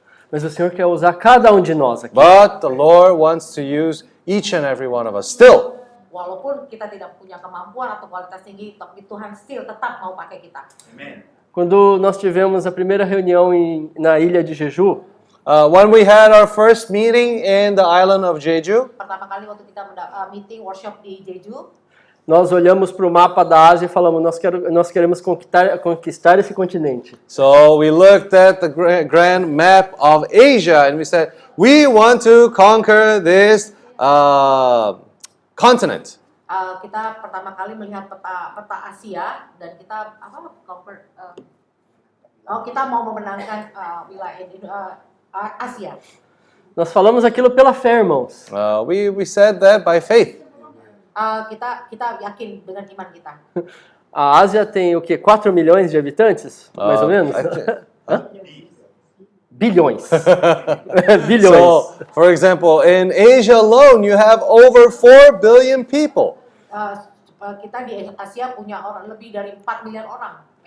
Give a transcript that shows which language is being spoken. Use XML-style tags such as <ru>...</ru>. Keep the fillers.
<pt>Mas o Senhor quer usar cada um de nós aqui.</pt> <en>But the Lord wants to use each and every one of us still.</en> <id>Walaupun kita tidak punya kemampuan atau kualitas tinggi, tapi Tuhan still tetap mau pakai kita.</id> <pt>Quando nós tivemos a primeira reunião na ilha de Jeju,</pt> <en>uh, when we had our first meeting in the island of Jeju,</en> <id>pertama kali waktu kita uh, meeting workshop di Jeju,</id> <pt>nós olhamos para o mapa da Ásia e falamos nós, queremos conquistar, esse continente. Então,</pt> <en>we looked at the grand, grand map of Asia and we said we want to conquer this uh, continent.</en> <id>Uh, kita pertama kali melihat peta peta Asia dan kita apa conquer oh kita mau memenangkan wilayah uh, Asia.</id> <pt>Nós falamos aquilo pela fé, irmãos. Uh,</pt> <en>we we said that by faith.</en> <pt>A Ásia tem o que 4 milhões de habitantes? Mais ou menos? Bilhões. Bilhões.</pt> <en>So, for example, in Asia alone you have over 4 billion people.</en> <id>Uh, kita di Asia punya orang lebih dari 4 miliar orang.</id>